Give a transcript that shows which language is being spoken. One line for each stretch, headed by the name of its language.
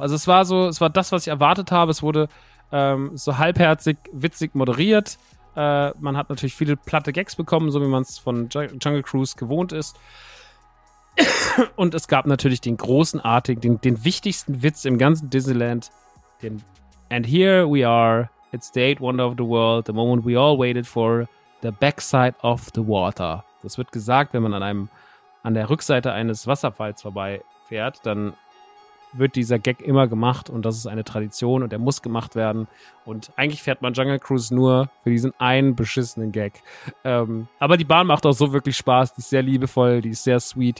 German: Also es war das, was ich erwartet habe. Es wurde so halbherzig, witzig moderiert. Man hat natürlich viele platte Gags bekommen, so wie man es von Jungle Cruise gewohnt ist. Und es gab natürlich den großenartigen, den wichtigsten Witz im ganzen Disneyland. Den
English: And here we are, it's the 8th wonder of the world, the moment we all waited for, the backside of the water.
German: Das wird gesagt, wenn man an der Rückseite eines Wasserfalls vorbeifährt, dann wird dieser Gag immer gemacht und das ist eine Tradition und der muss gemacht werden. Und eigentlich fährt man Jungle Cruise nur für diesen einen beschissenen Gag. Aber die Bahn macht auch so wirklich Spaß. Die ist sehr liebevoll, die ist sehr sweet.